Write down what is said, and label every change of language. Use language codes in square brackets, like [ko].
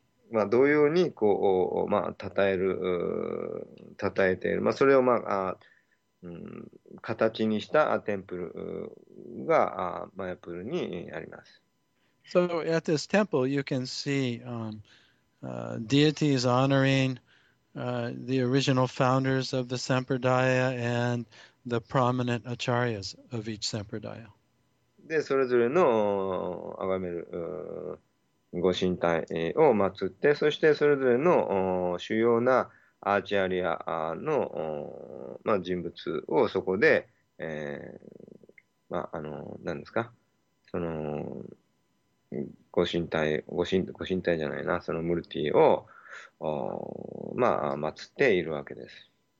[ja] まあ同様にこう、称える、称えている。まあそれを、形にしたテンプルがマヤプールにあります。 [en] So at this temple, you can see deities honoring the original founders of the sampradaya and the prominent acharyas of each sampradaya. [ja] で、それぞれの崇める御神体を祀って、そしてそれぞれの主要なアーチャリアの人物をそこで、何ですか、その御神体、御神体じゃないな、そのムルティを祀っているわけです。